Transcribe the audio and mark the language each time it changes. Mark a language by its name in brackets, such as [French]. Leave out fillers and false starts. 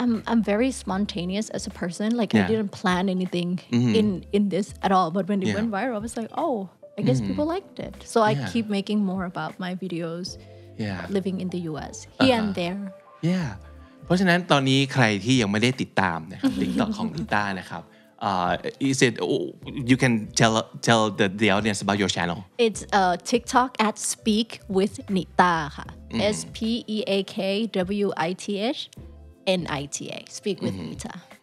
[English] I'm very spontaneous as a person. Like I didn't plan anything in this at all. But when it went viral, I was like, oh, I guess people liked it. So I keep making more about my videos living in the US. Here and there. Yeah. [Thai] เพราะฉะนั้นตอนนี้ใครที่ยังไม่ได้ติดตามนะครับ TikTok ของนิต้านะครับ [English] is it you can tell the audience about your channel? It's TikTok at speak with Nita ค่ะ S P E A K W I T H N I T A speak with Nita.